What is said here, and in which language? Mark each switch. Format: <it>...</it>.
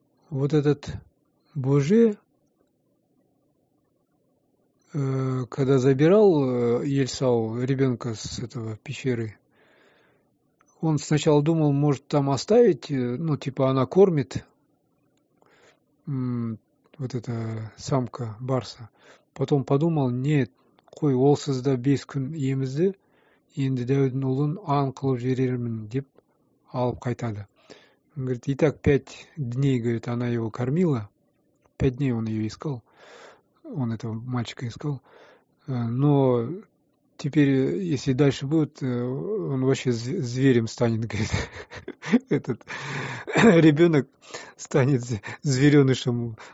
<ru>Вот этот Божий, когда забирал Ельсау ребенка с этого пещеры, он сначала думал, может там оставить, ну, типа она кормит вот эта самка барса. Потом подумал, нет,</ru> <kk>кой олсызда 5 күн емізді, енді дәудің ұлын аң қылып жіберермін, деп алып қайтады.</kk> <ru>Он говорит, и так 5 дней, говорит, она его кормила. 5 дней он ее искал. Он этого мальчика искал. Но теперь, если дальше будет, он вообще зверем станет, говорит. Этот ребенок станет зверенышем.</ru>